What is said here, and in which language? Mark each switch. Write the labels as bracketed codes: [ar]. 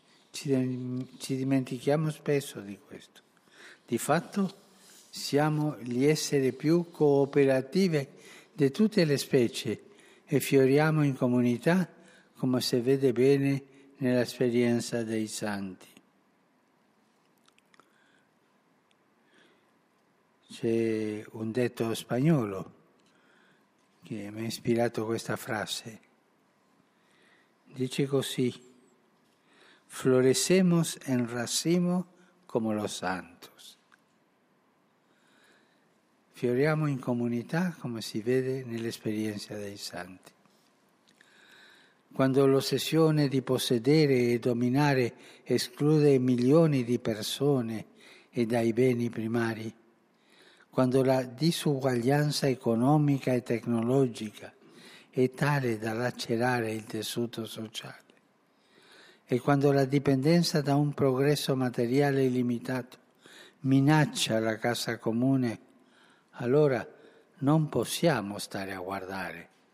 [it] Ci dimentichiamo spesso di questo. Di fatto, siamo gli esseri più cooperativi di tutte le specie e fioriamo in comunità, come si vede bene nell'esperienza dei santi. C'è un detto spagnolo che mi ha ispirato questa frase. Dice così: [es] florecemos en racimo como los santos. [it] Fioriamo in comunità come si vede nell'esperienza dei santi. Quando l'ossessione di possedere e dominare esclude milioni di persone e dai beni primari, quando la disuguaglianza economica e tecnologica è tale da lacerare il tessuto sociale, e quando la dipendenza da un progresso materiale illimitato minaccia la casa comune, allora non possiamo stare a guardare.